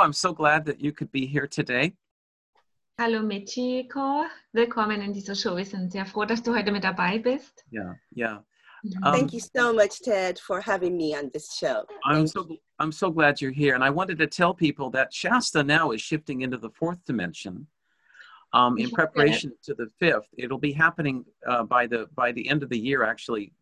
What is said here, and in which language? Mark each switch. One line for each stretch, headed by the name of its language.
English: I'm so glad that you could be here today.
German: Hallo, Michiko. Willkommen in dieser Show. Wir sind sehr froh, dass du heute mit dabei bist. Yeah.
English: Thank you so much, Ted, for having me on this show. I'm so glad you're here. And I wanted to tell people that Shasta now is shifting into the fourth dimension in preparation to the fifth. It'll be happening by the end of the year, actually.